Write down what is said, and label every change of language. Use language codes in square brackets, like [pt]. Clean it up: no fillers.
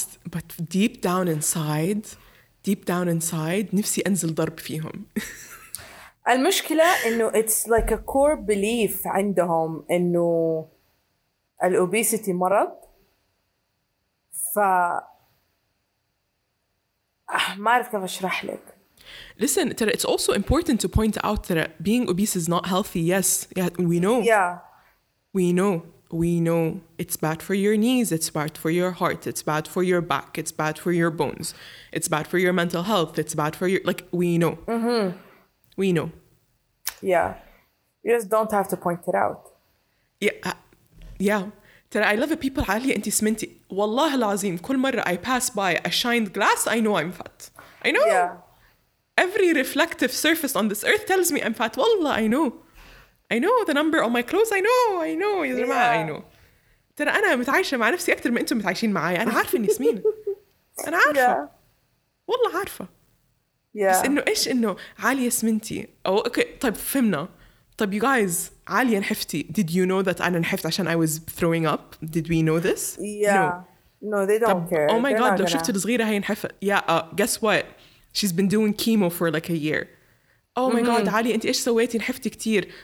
[en] But deep down inside [ar] نفسي أنزل ضرب فيهم. المشكلة إنه [en] it's like a core belief [ar] عندهم إنه الأوبيسيتي مرض، ف ما أعرف كيف أشرح لك. [en] Listen, it's also important to point out that being obese is not healthy. Yes, yeah, we know. Yeah. We know. It's bad for your knees. It's bad for your heart. It's bad for your back. It's bad for your bones. It's bad for your mental health. It's bad for your... Like, we know. Mm-hmm. We know. Yeah. You just don't have to point it out. Yeah. Yeah. I love it. People are like, you're fat. [ar] Wallah al-azim. Kul marra [en] I pass by a shined glass, I know I'm fat. I know. Yeah. Every reflective surface on this earth tells me I'm fat. Wallah, I know. I know the number on my clothes. I know. [ar] يا جماعة, [en] yeah. I know. [ar] ترى أنا متعايشة مع نفسي أكثر من أنتم متعايشين معي. أنا عارفة إني سمينة. أنا عارفة. [en] Yeah. [ar] والله عارفة. [en] Yeah. [ar] بس إنه إيش إنه عالية سمنتي. أو أوكي طيب فهمنا. طيب [en] you guys [ar] عالية نحفتي. [en] Did you know that [ar] أنا نحفت عشان [en] I was throwing up? Did we know this? Yeah. No they don't [ar] طب, [en] care. Oh my They're [ar] god لو شفت الصغيرة هي نحفت. [en] Yeah guess what? She's been doing chemo for like a year. Oh my god, [ar] Ali, أنت إيش سويتي نحفتي كتير.